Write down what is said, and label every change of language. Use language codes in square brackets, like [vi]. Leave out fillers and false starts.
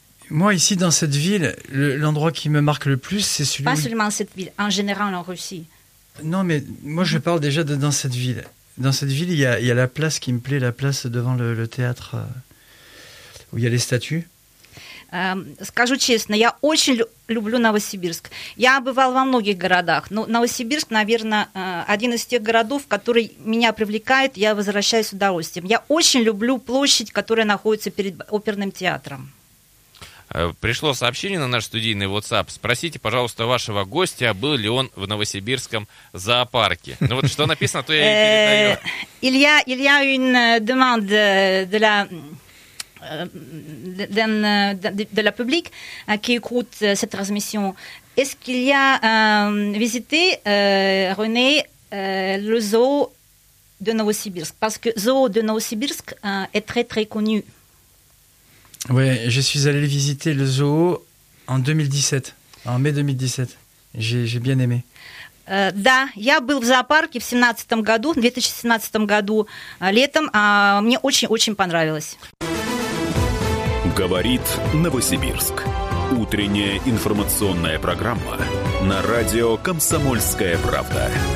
[fr] Moi, ici, dans cette ville, l'endroit qui me marque le plus, c'est celui... Pas seulement cette ville, en général en Russie. Non, mais moi, je parle déjà de dans cette ville. Dans cette ville, il y a la place qui me plaît, la place devant le théâtre où il y a les statues. [ru] Скажу честно, я очень люблю Новосибирск. Я бывал во многих городах, но Новосибирск, наверное, один из тех городов, который меня привлекает, я возвращаюсь с удовольствием. Я очень люблю площадь, которая находится перед оперным театром. Пришло сообщение на наш студийный WhatsApp. Спросите, пожалуйста, вашего гостя, был ли он в новосибирском зоопарке. Ну вот что написано, то я и передаю. [fr] Илья, une demande [ru] для... [fr] De la public qui écoute cette transmission. Est-ce qu'il y a visité, René, le zoo de Novosibirsk? Parce que le zoo de Novosibirsk est très, très connu. Oui, je suis allé visiter le zoo en 2017, en mai 2017. J'ai bien aimé. [ru] Да, я был в зоопарке в 2017 году, в 2017 году летом. Мне очень-очень понравилось. Говорит Новосибирск. Утренняя информационная программа на радио «Комсомольская правда».